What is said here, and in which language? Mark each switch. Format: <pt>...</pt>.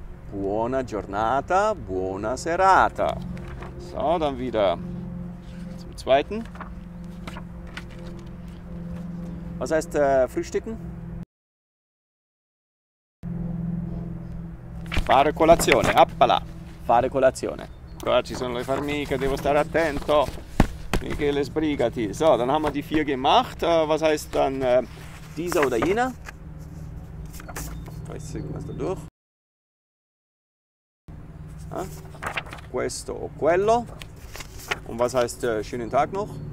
<it>Buona giornata, buona serata.</it> <de>So, dann wieder zum zweiten. Was heißt frühstücken?</de> <it>Fare colazione, appala. Fare colazione. Qua ci sono le formiche, devo stare attento. Michele, sbrigati.</it> <de>So, dann haben wir die 4 gemacht. Was heißt dann dieser oder jener? Weißt du, was da durch?</de> <it>Ah, questo o quello.</it> <de>Und was heißt schönen Tag noch?</de>